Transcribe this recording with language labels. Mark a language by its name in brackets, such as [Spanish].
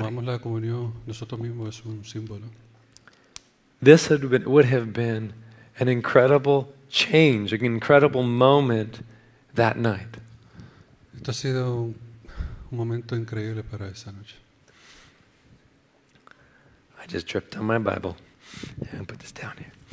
[Spanish] Cuando tomamos la comunión, nosotros mismos es un símbolo. [English] This would have been an incredible change, an incredible moment that night. [Spanish] Esto ha sido un momento increíble para esa noche. [English] I just tripped on my Bible and put this down here.